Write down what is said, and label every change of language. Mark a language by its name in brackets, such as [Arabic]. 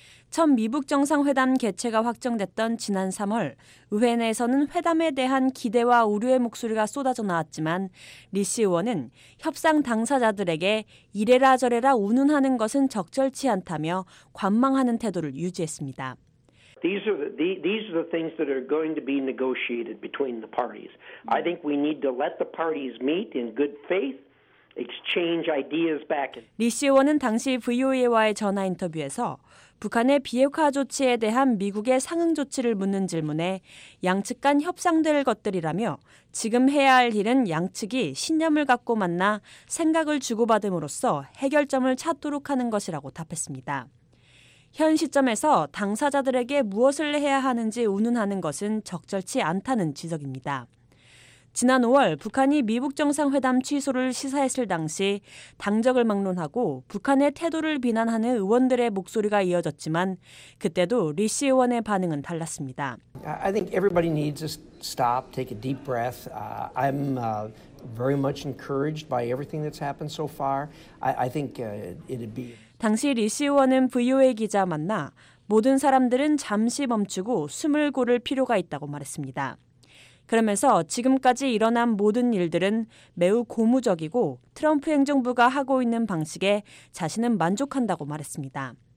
[Korean] 첫 미북 정상회담 개최가 확정됐던 지난 3월 의회 내에서는 회담에 대한 기대와 우려의 목소리가 쏟아져 나왔지만 리시 의원은 협상 당사자들에게 이래라 저래라 운운하는 것은 적절치 않다며 관망하는 태도를 유지했습니다. [English] These are the things that are going to be negotiated between the parties. I think we need to let the parties meet in good faith. Exchange ideas back. [Korean] 리시 의원은 당시 VOA와의 전화 인터뷰에서 북한의 비핵화 조치에 대한 미국의 상응 조치를 묻는 질문에 양측 간 협상될 것들이라며 지금 해야 할 일은 양측이 신념을 갖고 만나 생각을 주고받음으로써 해결점을 찾도록 하는 것이라고 답했습니다. 현 시점에서 당사자들에게 무엇을 해야 하는지 운운하는 것은 적절치 않다는 지적입니다. 지난 5월 북한이 미북 정상회담 취소를 시사했을 당시 당적을 막론하고 북한의 태도를 비난하는 의원들의 목소리가 이어졌지만 그때도 리시 의원의 반응은 달랐습니다. [English] I think everybody needs to stop, take a deep breath. I'm very much encouraged by everything that's happened so far. I think it'd be [Korean] 당시 리시 의원은 VOA 기자 만나 모든 사람들은 잠시 멈추고 숨을 고를 필요가 있다고 말했습니다. 그러면서 지금까지 일어난 모든 일들은 매우 고무적이고 트럼프 행정부가 하고 있는 방식에 자신은 만족한다고 말했습니다.